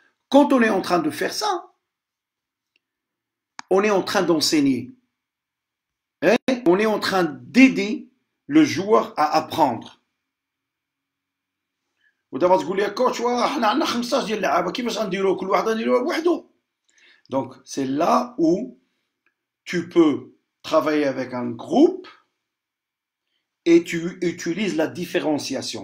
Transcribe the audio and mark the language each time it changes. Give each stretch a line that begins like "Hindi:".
French: Quand on est en train de faire ça, on est en train d'enseigner. On est en train d'aider le joueur à apprendre.
Arabic: ودابا تقول لي كوتش واه حنا عندنا 15 ديال اللعابه كيفاش غنديروا كل واحد غنديروها بوحدو.
French: دونك سي لا او tu peux travailler avec un groupe et tu utilises la différenciation.